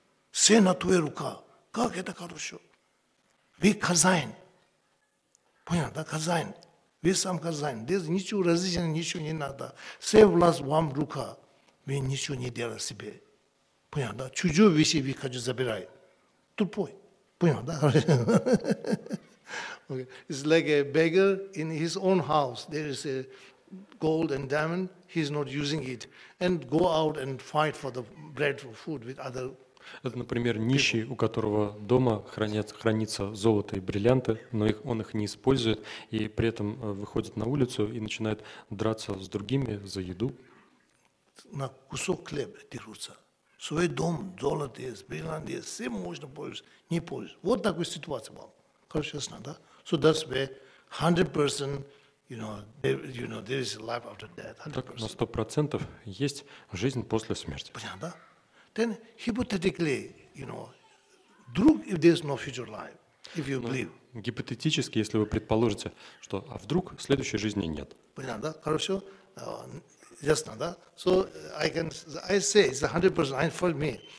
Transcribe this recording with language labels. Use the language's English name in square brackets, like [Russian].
[Russian] Все на твоей руке. Как это хорошо? Вы хозяин. Понятно, да? Хозяин. Вы сам хозяин. Здесь ничего различного, ничего не надо. Все власть вам в руке. Вы ничего не делаете себе. Понятно, да? Чужие вещи вы хотите забирать. Тупой. Понятно, да? Okay. [English] It's like a beggar in his own house. There is a gold and diamond, he's not using it, and go out and fight for the bread for food with other. [Russian] Это, например, нищий, у которого дома хранится золото и бриллианты, но он их не использует, и при этом выходит на улицу и начинает драться с другими за еду. На кусок хлеба дерутся. Свой дом, золото есть, бриллианты есть, всем можно пользоваться, не пользоваться. Вот такая ситуация вам. Хорошо, ясно, да? [English] So that's where 100%, you know, there is life after death. [Russian] Так, на 100% есть жизнь после смерти. Понятно? [English] Then hypothetically, you know, [Russian] вдруг, [English] if there's no future life, if you believe. [Russian] Гипотетически, если вы предположите, что а вдруг следующей жизни нет. Понятно, да? Хорошо. Ясно, да? [English] So I can, I say it's 100% for me.